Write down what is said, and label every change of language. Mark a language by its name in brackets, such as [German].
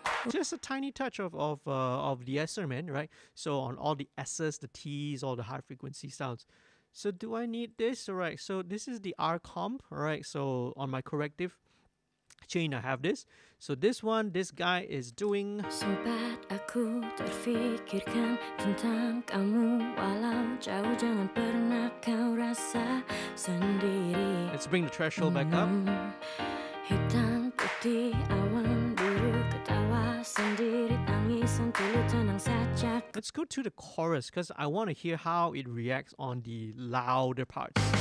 [English] Just a tiny touch of the S-er, man, right? So on all the S's, the T's, all the high frequency sounds. So do I need this? All right, so this is the R comp, all right? So on my corrective chain, I have this. So this one, this guy is doing... [Malay] Sempat aku terfikirkan tentang kamu, walau jauh jangan pernah kau rasa sendiri. [English] Let's bring the threshold back up. [Malay] Hitam putih awan biru ketawa sendiri tangis sentuh tenang saja. [English] Let's go to the chorus, because I want to hear how it reacts on the louder parts.